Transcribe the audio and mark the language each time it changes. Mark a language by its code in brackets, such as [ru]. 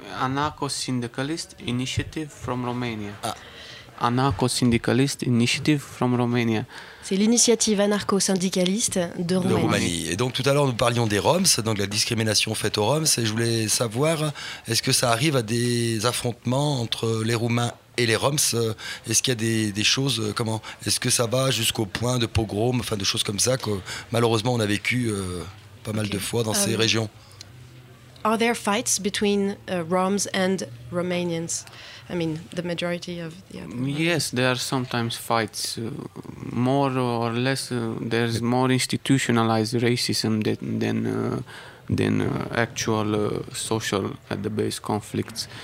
[en] Anarcho-syndicalist Initiative from Romania. Ah. Anarcho-syndicalist Initiative from Romania. [fr] C'est l'initiative anarcho-syndicaliste de Roumanie. Et donc tout à l'heure, nous parlions des Roms, donc la discrimination faite aux Roms. Et je voulais savoir, est-ce que ça arrive à des affrontements entre les Roumains et les Roms? Est-ce qu'il y a des choses, comment? Est-ce que ça va jusqu'au point de pogrom, enfin de choses comme ça, que malheureusement on a vécu pas mal de fois dans ces régions? [en] Are there fights between Roms and Romanians? I mean, the majority of the other... Yes, there are sometimes fights. More or less, there's more institutionalized racism than actual social at the base conflicts.